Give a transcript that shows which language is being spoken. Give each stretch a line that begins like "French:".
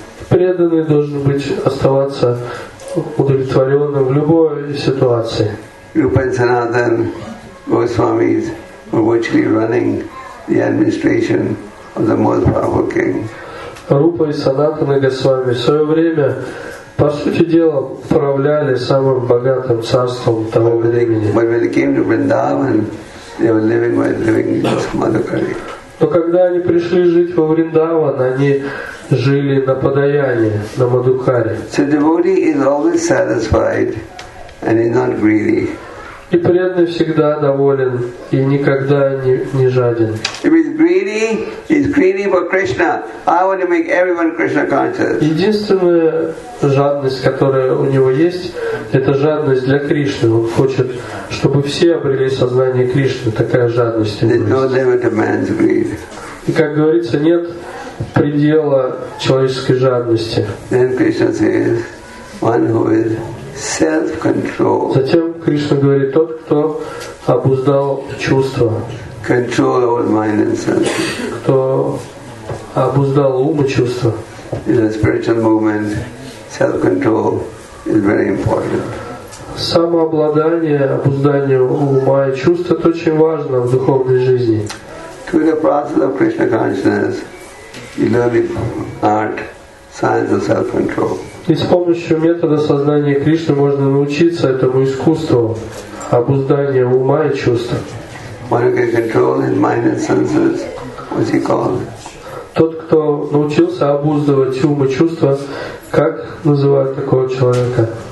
Russian: Преданный должен быть оставаться удовлетворенным в любой ситуации.
English: Rupa and Sanatan Goswamis were virtually running the administration of the most powerful king.
Russian: Rupa и Санатана Госвами в свое время, по сути дела, управляли самым богатым царством того времени.
English: But when they came to Vrindavan, they were living with Madhukari.
Russian: Но когда они пришли жить во Вриндаван, они жили на подаянии, на Мадхукаре.
English: So devotee is always satisfied and is not greedy.
Russian: И преданный всегда доволен и никогда не жаден.
English: If he's greedy for Krishna. I want to make everyone Krishna conscious.
Russian: Единственная жадность, которая у него есть, это жадность для Кришны. Он хочет, чтобы все обрели сознание Кришны. Такая жадность у него есть.
English: There's no limit to man's greed.
Russian: И как говорится, нет предела человеческой жадности.
English: Then Krishna says, one who is self-control.
Russian: Затем Кришна говорит, тот, кто обуздал чувства.
English: Control over mind and senses.
Russian: Кто обуздал ум и чувства.
English: In a spiritual movement, self-control is very important.
Russian: Самообладание, обуздание ума и чувств – это очень важно в духовной жизни.
English: Through the process of Krishna consciousness, you learn the art, science of self-control.
Russian: И с помощью метода сознания Кришны можно научиться этому искусству обуздания ума и чувств. Тот, кто научился обуздывать ум и чувства, как называют такого человека?